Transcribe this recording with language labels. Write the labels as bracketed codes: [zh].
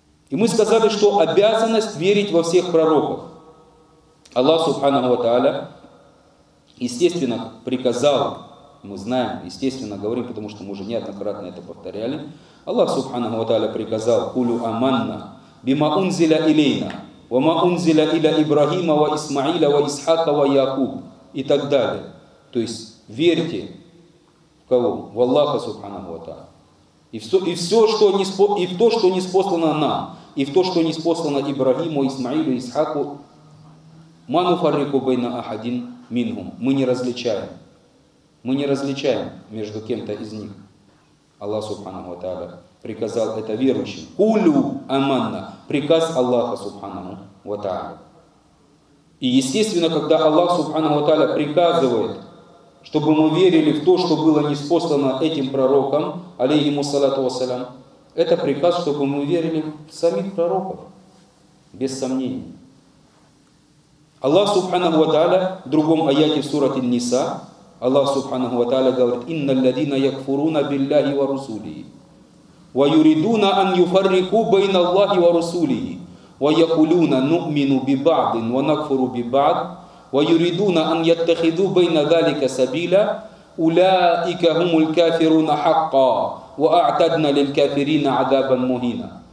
[ru] И мы сказали, что обязанность верить во всех пророков. Аллах субханаху ва тааля, естественно, приказал, мы знаем, естественно, говорим, потому что мы уже неоднократно это повторяли. Аллах субханаху ва тааля приказал, [ar] «Кулю аманна бима унзиля илейна». وَمَا أُنزِلَ إِلَى إِبْرَهِيمَ وَإِسْمَعِيلَ وَإِسْحَاقَ وَيَعْقُوبَ [ru] и так далее. То есть верьте в кого? В Аллаха субханаху ва тааля. И в то, что ниспослано нам, и в то, что ниспослано Ибрагиму, Исмаилу, Исхаку, [ar] مَا نُفَرِّقُ بَيْنَ أَحَدٍ مِنْهُمْ. [ru] Мы не различаем. Мы не различаем между кем-то из них. Аллах субханаху ва тааля приказал это верующим. [ar] Кулю аманна. [ru] Приказ Аллаха субханаху ва тааля. И естественно, когда Аллах субханаху ва тааля приказывает, чтобы мы верили в то, что было ниспослано этим пророком, алейхиму салату вассалям, это приказ, чтобы мы верили в самих пророков. Без сомнений. Аллах субханаху ва тааля в другом аяте в сурате Ниса, Аллах субханаху ва тааля говорит, [ar] «Инна ладина якфуруна билляхи ва русулии». ويريدون أن يفرقوا بين الله ورسوله ويقولون نؤمن ببعض ونكفر ببعض ويريدون أن يتخذوا بين ذلك سبيلا أولئك هم الكافرون حقا وأعتدنا للكافرين عذابا مهينا.